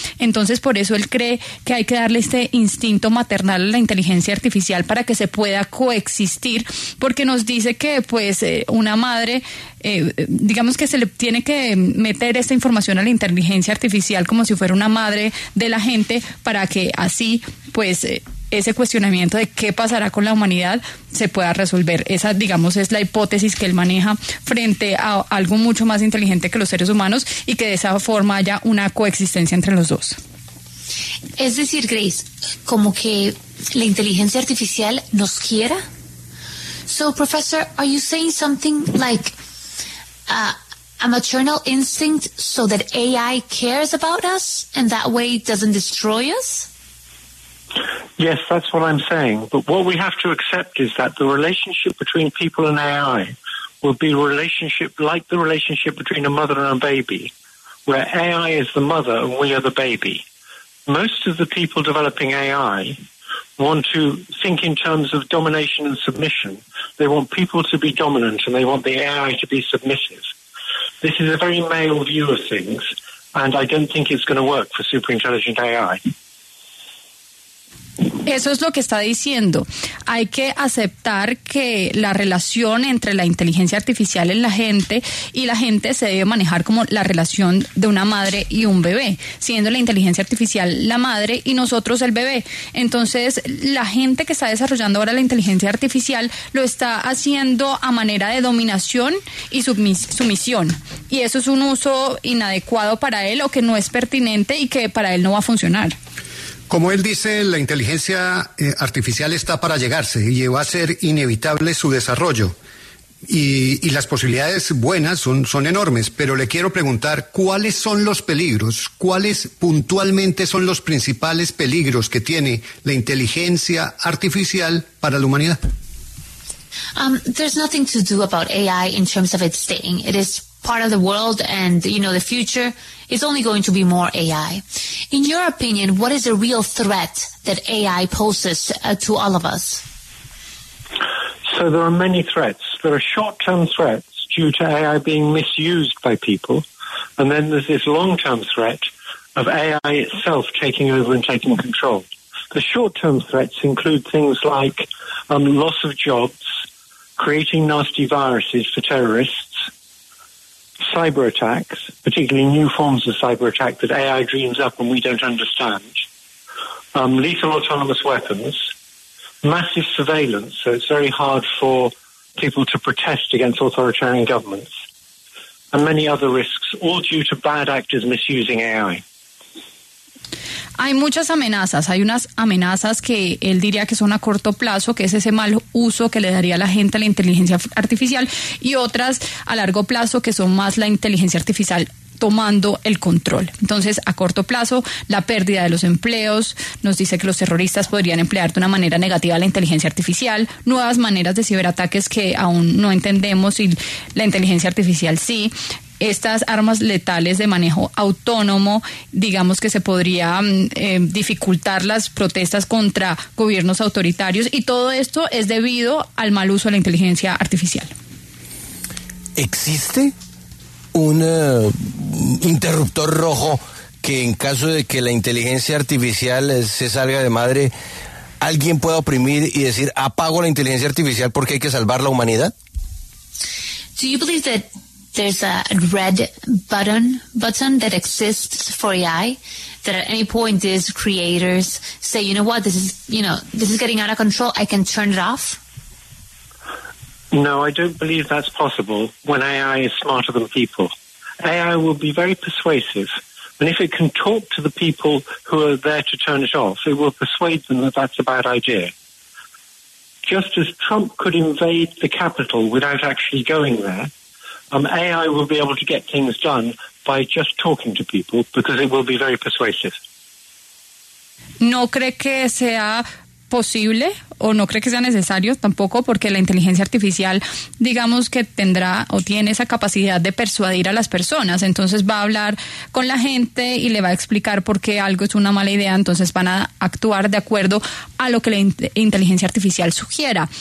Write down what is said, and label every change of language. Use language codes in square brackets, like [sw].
[es] Entonces, por eso él cree que hay que darle este instinto maternal a la inteligencia artificial para que se pueda coexistir, porque nos dice que, pues, una madre, digamos que se le tiene que meter esta información a la inteligencia artificial como si fuera una madre de la gente para que así, pues, ese cuestionamiento de qué pasará con la humanidad se pueda resolver. Esa, digamos, es la hipótesis que él maneja frente a algo mucho más inteligente que los seres humanos y que de esa forma haya una coexistencia entre los dos. Es decir, Grace, como que la inteligencia artificial nos quiera. [en] So, Professor, are you saying something like a maternal instinct so that AI cares about us and that way doesn't destroy us? Yes, that's what I'm saying. But what we have to accept is that the relationship between people and AI will be a relationship like the relationship between a mother and a baby, where AI is the mother and we are the baby. Most of the people developing AI want to think in terms of domination and submission. They want people to be dominant and they want the AI to be submissive. This is a very male view of things, and I don't think it's going to work for superintelligent AI. [es] Eso es lo que está diciendo. Hay que aceptar que la relación entre la inteligencia artificial en la gente y la gente se debe manejar como la relación de una madre y un bebé, siendo la inteligencia artificial la madre y nosotros el bebé. Entonces, la gente que está desarrollando ahora la inteligencia artificial lo está haciendo a manera de dominación y sumisión. Y eso es un uso inadecuado para él o que no es pertinente y que para él no va a funcionar. Como él dice, la inteligencia artificial está para llegarse y va a ser inevitable su desarrollo. Y las posibilidades buenas son enormes, pero le quiero preguntar, ¿cuáles son los peligros? ¿Cuáles puntualmente son los principales peligros que tiene la inteligencia artificial para la humanidad? [en] There's nothing to do about AI in terms of its staying. It is part of the world and, you know, the future. It's only going to be more AI. In your opinion, what is the real threat that AI poses to all of us? So there are many threats. There are short-term threats due to AI being misused by people. And then there's this long-term threat of AI itself taking over and taking control. The short-term threats include things like loss of jobs, creating nasty viruses for terrorists, cyber attacks, particularly new forms of cyber attack that AI dreams up and we don't understand, lethal autonomous weapons, massive surveillance, so it's very hard for people to protest against authoritarian governments, and many other risks, all due to bad actors misusing AI. [es] Hay muchas amenazas, hay unas amenazas que él diría que son a corto plazo, que es ese mal uso que le daría la gente a la inteligencia artificial, y otras a largo plazo que son más la inteligencia artificial tomando el control. Entonces, a corto plazo, la pérdida de los empleos, nos dice que los terroristas podrían emplear de una manera negativa la inteligencia artificial, nuevas maneras de ciberataques que aún no entendemos y la inteligencia artificial sí. Estas armas letales de manejo autónomo, digamos que se podría dificultar las protestas contra gobiernos autoritarios, y todo esto es debido al mal uso de la inteligencia artificial. ¿Existe un interruptor rojo que en caso de que la inteligencia artificial se salga de madre, alguien pueda oprimir y decir, apago la inteligencia artificial porque hay que salvar la humanidad? [en] Do you believe that there's a red button that exists for AI that at any point is creators say, you know what, this is getting out of control, I can turn it off? No, I don't believe that's possible when AI is smarter than people. AI will be very persuasive, and if it can talk to the people who are there to turn it off, it will persuade them that that's a bad idea. Just as Trump could invade the Capitol without actually going there, AI will be able to get things done by just talking to people because it will be very persuasive. [es] ¿No cree que sea posible o no cree que sea necesario tampoco porque la inteligencia artificial, digamos que tendrá o tiene esa capacidad de persuadir a las personas? Entonces va a hablar con la gente y le va a explicar por qué algo es una mala idea, entonces van a actuar de acuerdo a lo que la inteligencia artificial sugiera.